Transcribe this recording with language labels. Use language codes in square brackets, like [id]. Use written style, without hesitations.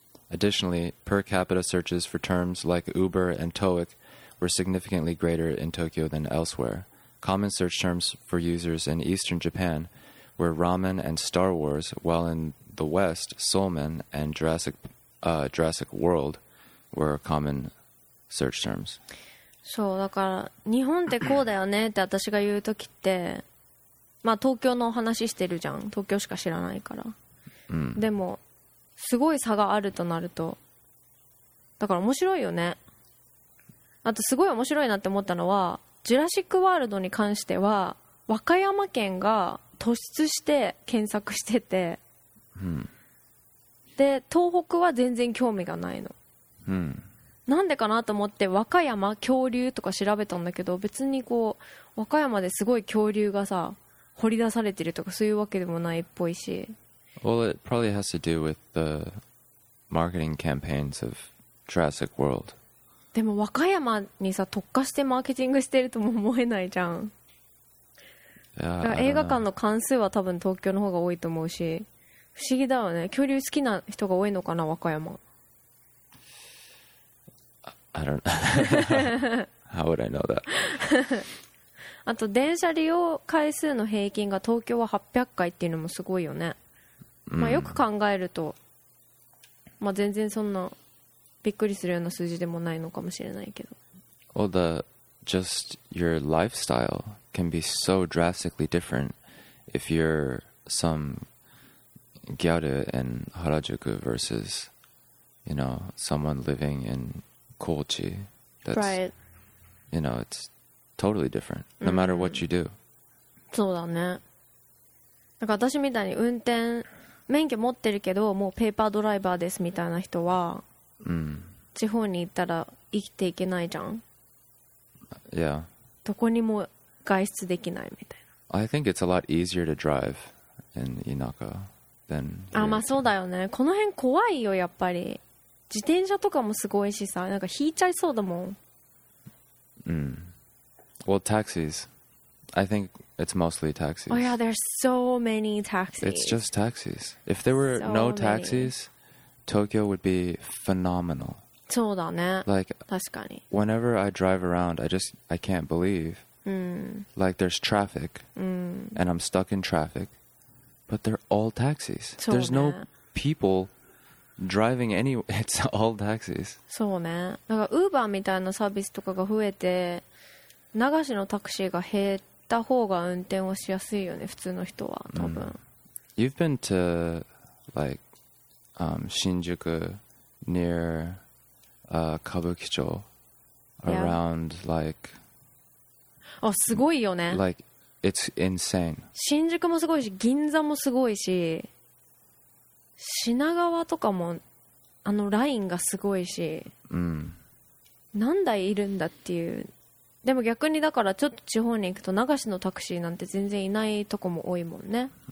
[en] Additionally, per capita searches for terms like Uber and TOEIC were significantly greater in Tokyo than elsewhere. Common search terms for users in eastern Japan were ramen and Star Wars, while in the west, Soulman and Jurassic World were common search terms. [ja] そう、だから日本ってこうだよねって私が言うときって、まあ東京のお話してるじゃん。東京しか知らないから。でもすごい差があるとなると、だから面白いよね。あとすごい面白いなって思ったのは、ジュラシックワールドに関しては和歌山県が突出して検索してて、で東北は全然興味がないの。なんでかなと思って和歌山恐竜とか調べたんだけど、別にこう和歌山ですごい恐竜がさ掘り出されてるとかそういうわけでもないっぽいし。 [en] Well, it probably has to do with the marketing campaigns of Jurassic World. [ja] でも和歌山にさ特化してマーケティングしてるとも思えないじゃん。映画館の関数は多分東京の方が多いと思うし、不思議だよね。恐竜好きな人が多いのかな、和歌山。 [en] I don't know. How would I know that? [ja] あと電車利用回数の平均が東京は800回っていうのもすごいよね。まあよく考えると、まあ全然そんなびっくりするような数字でもないのかもしれないけど。 [en] Well, the just your lifestyle can be so drastically different if you're some gyaru in Harajuku versus, you know, someone living in Kochi. That's, right. You know, it's totally different. No matter what you do. [ja] そうだね。なんか私みたいに運転免許持ってるけどもうペーパードライバーですみたいな人は、地方に行ったら生きていけないじゃん。 [en] Yeah. [ja] どこにも外出できないみたいな。 [en] I think it's a lot easier to drive in 田舎 than. [ja] あ、まあそうだよね。この辺怖いよやっぱり。自転車とかもすごいしさ、なんか引いちゃいそうだもん。 [en] Well, taxis. I think it's mostly taxis. Oh yeah, there's so many taxis. It's just taxis. If there were no taxis, Tokyo would be phenomenal. [ja] そうだね。Like, 確かに。 [en] Whenever I drive around, I can't believe. Like there's traffic. And I'm stuck in traffic, but they're all taxis. There's no people driving anywhere. It's all taxis. [ja] そうね。なんか Uber みたいなサービスとかが増えて。長しのタクシーが減った方が運転はしやすいよね、普通の人は多分。 [en] You've been to like 新宿 near 歌舞伎町 around like [ja] あ、すごいよね。 [en] Like it's insane。 [ja] 新宿もすごいし、銀座もすごいし、品川とかもあのラインがすごいし、何台いるんだっていう。でも逆にだからちょっと地方に行くと流しのタクシーなんて全然いないとこも多いもんね。